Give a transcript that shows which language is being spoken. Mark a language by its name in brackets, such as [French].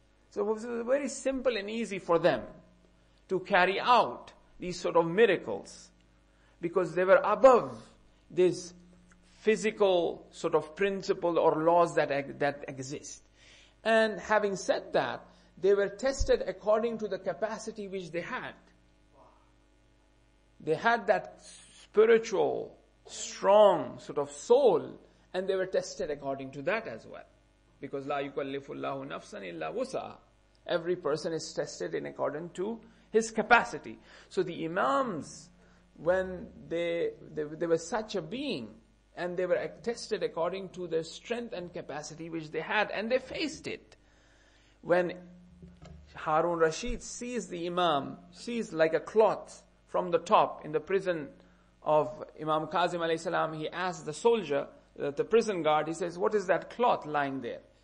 [English] So it was very simple and easy for them to carry out these sort of miracles, because they were above this physical sort of principle or laws that exist. And having said that, they were tested according to the capacity which they had. They had that spiritual, strong sort of soul, and they were tested according to that as well. [Arabic] Because لا يكلف الله نفسا إلا وسعها. [English] Every person is tested in accordance to his capacity. So the imams, when they were such a being, and they were tested according to their strength and capacity which they had, and they faced it. When Harun Rashid sees the imam, sees like a cloth from the top in the prison of Imam Kazim alayhi salam, he asks the soldier, the prison guard, he says, what is that cloth lying there?